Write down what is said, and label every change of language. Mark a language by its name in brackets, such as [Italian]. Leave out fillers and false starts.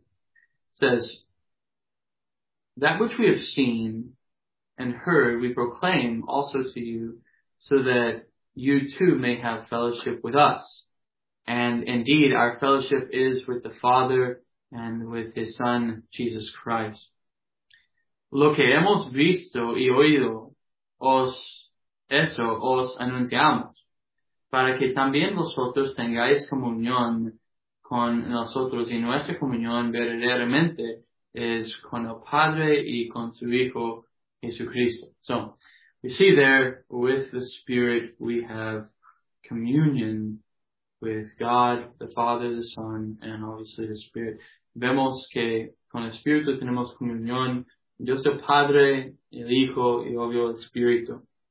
[English] It says, that which we have seen and heard, we proclaim also to you, so that you too may have fellowship with us. And indeed, our fellowship is with the Father and with His Son, Jesus Christ. [Spanish] Lo que hemos visto y oído, eso os anunciamos, para que también vosotros tengáis comunión con nosotros, y nuestra comunión verdaderamente es con el Padre y con su Hijo Jesucristo. [English] So, You see there, with the Spirit, we have communion with God, the Father, the Son, and obviously the Spirit. [Spanish] Vemos que con el Espíritu tenemos comunión. Dios el Padre, el Hijo, y obvio el Espíritu.